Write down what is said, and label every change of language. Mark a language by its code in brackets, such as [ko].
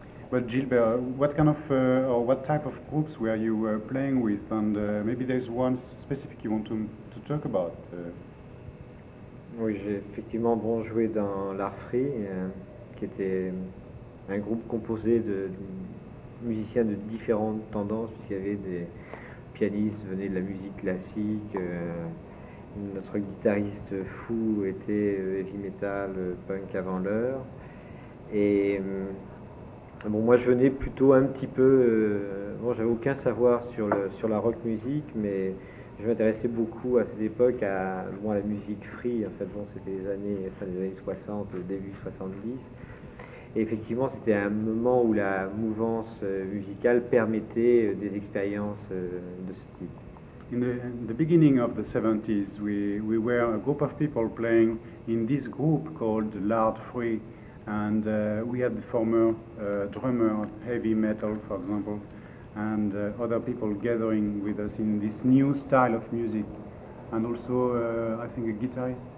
[en] But Gilbert, what kind of or what type of groups were you playing with, and maybe there's one specific you want to talk about? [fr] Oui, j'ai effectivement bon joué dans l'Art Free, qui était un groupe composé de musiciens de différentes tendances, puisqu'il y avait des pianistes venaient de la musique classique, notre guitariste fou était heavy metal, punk avant l'heure, et bon, moi je venais plutôt un petit peu, bon, j'avais aucun savoir sur la rock music, mais je m'intéressais beaucoup à cette époque à la musique free, en fait, bon, c'était les années, fin des années 60, début 70. Et effectivement, c'était un moment où la mouvance musicale permettait des expériences de ce type. [en] In the beginning of the 70s, we were a group of people playing in this group called L'Art Free, and we had the former drummer of heavy metal, for example, and other people gathering with us in this new style of music, and also I think a guitarist.